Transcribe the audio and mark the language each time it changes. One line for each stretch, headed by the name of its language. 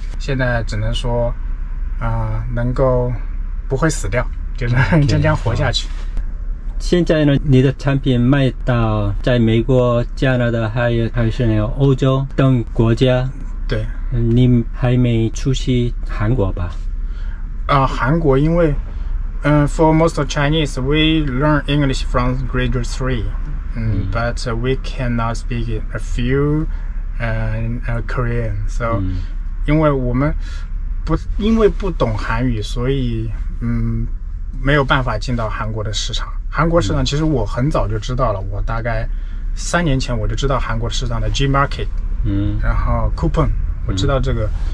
Chinese: 现在只能说，能够不会死掉，就是真正活下去。现在呢，你的产品卖到在美国、加拿大，还是那个欧洲等国家。对，你还没出去韩国吧？韩国因为，
English: for most of Chinese, we learn English from grade 3. But we cannot speak a few Korean.
Chinese: So, 因为我们不懂韩语，所以没有办法进到韩国的市场。韩国市场其实我很早就知道了，我大概3年前我就知道韩国市场的 G Market， 然后 Coupon， 我知道这个。